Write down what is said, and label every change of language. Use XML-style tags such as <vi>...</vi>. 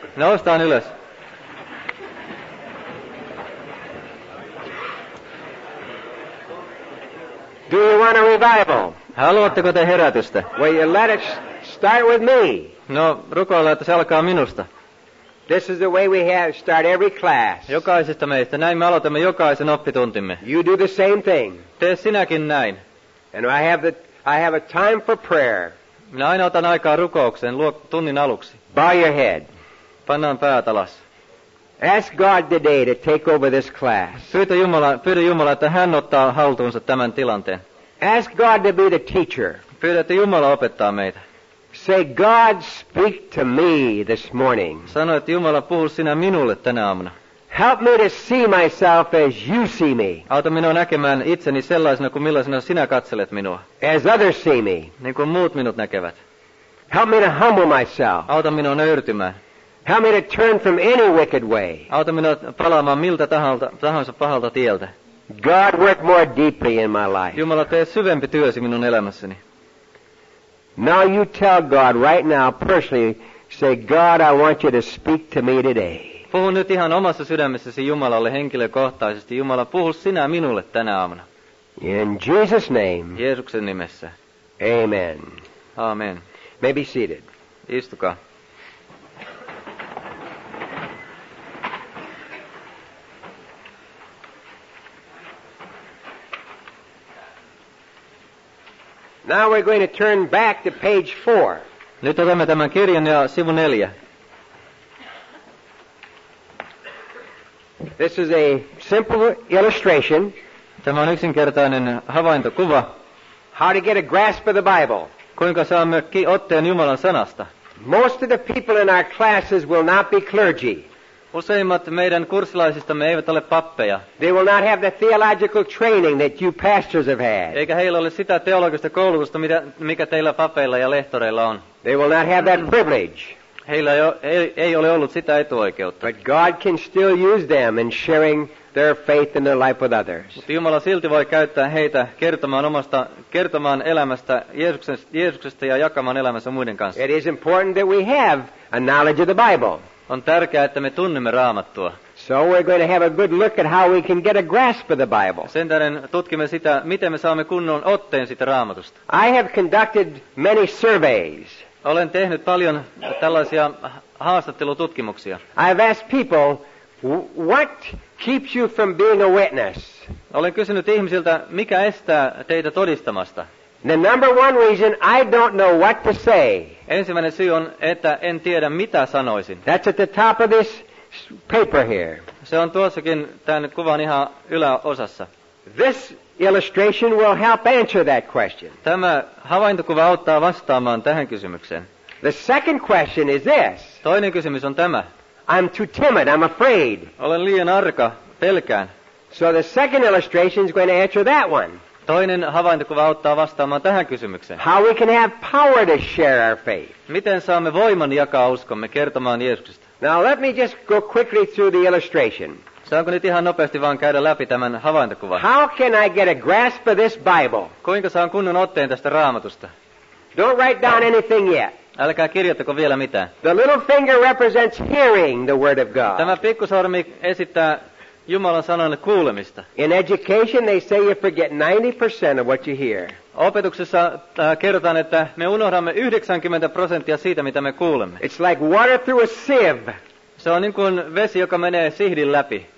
<fi>Noustaan ylös.</fi> <en>Do you want a revival?</en> <fi>Haluatteko te herätystä?</fi> <en>Well, you let it start with me.</en> <fi>No, rukoilla, että se alkaa minusta.</fi> <en>This is the way we have start every class.</en> <fi>Jokaisesta meistä. Näin me aloitamme jokaisen oppituntimme.</fi> <en>You do the same thing.</en> <fi>Tee sinäkin näin.</fi> <en>And I have a time for prayer.</en> <fi>Minä aina otan aikaa rukoukseen tunnin aluksi.</fi> <en>Bow your head.</en> <fi>Pannaan päät alas.</fi> <en>Ask God today to take over this class.</en> <fi>Pyydä Jumala, että hän ottaa haltuunsa tämän tilanteen.</fi> <en>Ask God to be the teacher.</en> <fi>Pyydä, että Jumala opettaa meitä.</fi> <en>Say, God, speak to me this morning.</en> <fi>Sano, että Jumala, puhu sinä minulle tänä aamuna.</fi> <en>Help me to see myself as you see me.</en> <fi>Auta minua näkemään itseni sellaisena kuin millaisena sinä katselet minua.</fi> <en>As others see me.</en> <fi>Niin kuin muut minut näkevät.</fi> <en>Help me to humble myself.</en> <fi>Auta minua nöyrtymään.</fi> <en>Help me to turn from any wicked way.</en> <fi>Auta minua palaamaan miltä tahansa pahalta tieltä.</fi> <en>God, work more deeply in my life.</en> <fi>Jumala, tee syvempi työsi minun elämässäni.</fi> <en>Now you tell God right now personally, Say, God, I want you to speak to me today.</en> <fi>Puhu nyt ihan omassa sydämessäsi Jumalalle henkilökohtaisesti. Jumala, puhu sinä minulle tänä aamuna.</fi> <en>In Jesus' name.</en> <fi>Jeesuksen nimessä.</fi> <en>Amen.</en> <fi>Amen.</fi> <en>May be seated.</en> <fi>Istukaa.</fi> <en>Now we're going to turn back to page 4.</en> <fi>Nyt otamme tämän kirjan ja sivu 4.</fi> <en>This is a simple illustration.</en> <fi>Tämä on yksinkertainen havaintokuva.</fi> <en>How to get a grasp of the Bible.</en> <fi>Kuinka saamme otteen Jumalan sanasta.</fi> <en>Most of the people in our classes will not be clergy.</en> <fi>Useimmat meidän kurssilaisistamme eivät ole pappeja.</fi> <en>They will not have the theological training that you pastors have had.</en> <fi>Eikä heillä ole sitä teologista koulutusta, mikä teillä papeilla ja lehtoreilla on.</fi> <en>They will not have that privilege.</en> <fi>Heillä ei ole ollut sitä etuoikeutta.</fi> <en>But God can still use them in sharing their faith and their life with others.</en> <fi>Mutta Jumala silti voi käyttää heitä kertomaan elämästä Jeesuksesta ja jakamaan elämänsä muiden kanssa.</fi> <en>It is important that we have a knowledge of the Bible.</en> <fi>On tärkeää, että me tunnemme Raamattua.</fi> <en>So we're going to have a good look at how we can get a grasp of the Bible.</en> <fi>Sen tähden tutkimme sitä, miten me saamme kunnon otteen siitä Raamatusta.</fi> <en>I have conducted many surveys.</en> <fi>Olen tehnyt paljon tällaisia haastattelututkimuksia.</fi> <en>I have asked people, what keeps you from being a witness?</en> <fi>Olen kysynyt ihmisiltä, mikä estää teitä todistamasta?</fi> <en>The number one reason, I don't know what to say.</en> <fi>Ensimmäinen syy on, että en tiedä mitä sanoisin.</fi> <en>That's at the top of this paper here.</en> <fi>Se on tuossakin tämän kuvan ihan yläosassa.</fi> <en>This illustration will help answer that question.</en> <fi>Tämä havaintokuva auttaa vastaamaan tähän kysymykseen.</fi> <en>The second question is this.</en> <fi>Toinen kysymys on tämä.</fi> <en>I'm too timid, I'm afraid.</en> <fi>Olen liian arka, pelkään.</fi> <en>So the second illustration is going to answer that one.</en> <fi>Toinen havaintokuva auttaa vastaamaan tähän kysymykseen.</fi> <en>How we can have power to share our faith.</en> <fi>Miten saamme voiman jakaa uskomme kertomaan Jeesuksesta?</fi> <en>Now let me just go quickly through the illustration.</en> <fi>Saanko nyt ihan nopeasti vaan käydä läpi tämän havaintokuvan?</fi> <en>How can I get a grasp of this Bible?</en> <fi>Kuinka saan kunnon otteen tästä Raamatusta?</fi> <en>Don't write down anything yet.</en> <fi>Älkää kirjoittako vielä mitään.</fi> <en>The little finger represents hearing the word of God.</en> <fi>Tämä pikkusormi esittää Jumalan sanalle kuulemista.</fi> <en>In education they say you forget 90% of what you hear.</en> <fi>Opetuksessa kerrotaan, että me unohdamme 90% siitä, mitä me kuulemme.</fi> <en>It's like water through a sieve.</en> <fi>Se on niin kuin vesi, joka menee sihdin läpi.</fi>